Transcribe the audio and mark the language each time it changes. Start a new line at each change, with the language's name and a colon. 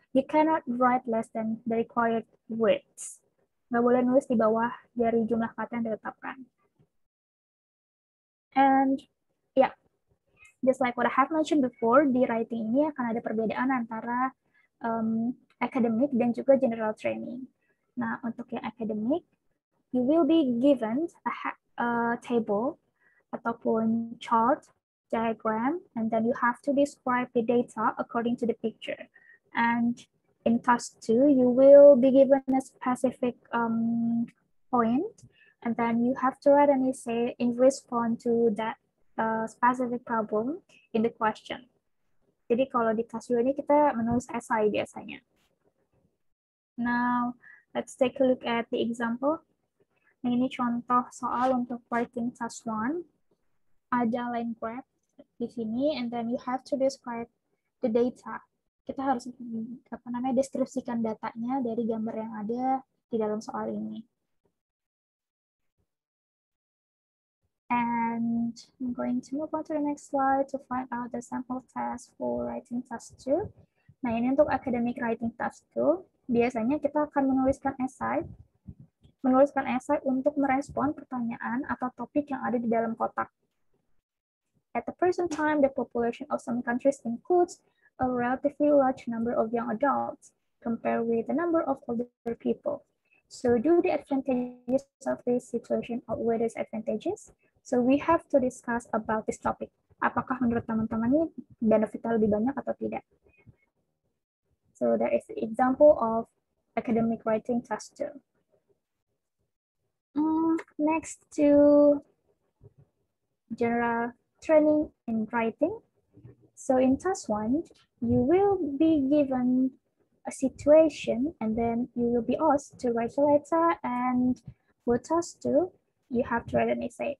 English: You cannot write less than the required words.
Indonesian: Nggak boleh nulis di bawah dari jumlah kata yang ditetapkan.
English: And, yeah. Just like what I have mentioned before,
Indonesian: di writing ini akan ada perbedaan antara academic dan juga general training. Nah, untuk yang academic,
English: you will be given a table ataupun chart, diagram, and then you have to describe the data according to the picture. And in task 2, you will be given a specific point, and then you have to write an essay in response to that specific problem in the question.
Indonesian: Jadi kalau di task 2 ini kita menulis essay biasanya.
English: Now, let's take a look at the example.
Indonesian: Nah, ini contoh soal untuk writing task 1. Ada line graph di sini,
English: and then you have to describe the data.
Indonesian: Kita harus apa namanya deskripsikan datanya dari gambar yang ada di dalam soal ini.
English: And I'm going to move on to the next slide to find out the sample test for writing task 2.
Indonesian: Nah, ini untuk academic writing task 2. Biasanya kita akan menuliskan esai untuk merespon pertanyaan atau topik yang ada di dalam kotak.
English: At the present time, the population of some countries includes a relatively large number of young adults compared with the number of older people. So do the advantages of this situation outweigh the disadvantages? So we have to discuss about this topic.
Indonesian: Apakah menurut teman-teman ini benefitnya lebih banyak atau tidak?
English: So there is an example of academic writing task 2. Next to general training in writing. So in task 1, you will be given a situation and then you will be asked to write a letter, and for task 2, you have to write an essay.